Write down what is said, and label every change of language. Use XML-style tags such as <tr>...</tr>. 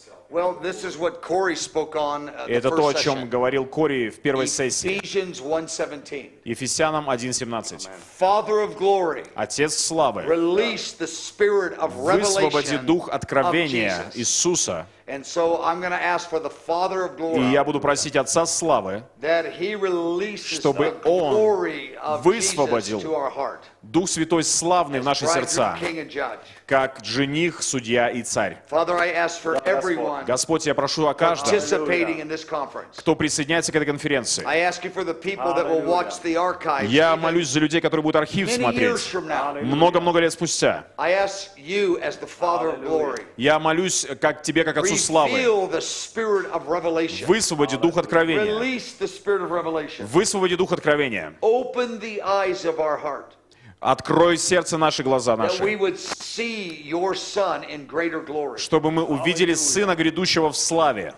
<en>Well, this is what Corey spoke on,</en> <ru>это то, о чем говорил Кори в первой сессии. Ефесянам 1:17.</ru> <en>Father of glory,</en> <ru>Отец славы,</ru> <en>release the spirit of revelation,</en> <ru>высвободи дух откровения Иисуса.</ru> <en>And so I'm going to ask for the Father of glory,</en> <ru>и я буду просить Отца славы,</ru> <en>that he releases</en> <ru>чтобы Он высвободил Дух Святой славный в наши сердца, как жених, судья и царь.</ru> <en>Father, I ask for everyone,</en> <ru>Господь, я прошу о каждом, кто присоединяется к этой конференции.</ru> <en>I ask you for the people that will watch the archives,</en> <ru>я молюсь за людей, которые будут архив смотреть много-много лет спустя.</ru> <en>I ask you as the Father of glory,</en> <ru>я молюсь как тебе, как Отцу славы. Высвободи Дух Откровения. Высвободи Дух Откровения. Открой сердце наши, глаза наши. Чтобы мы увидели Сына грядущего в славе.</ru>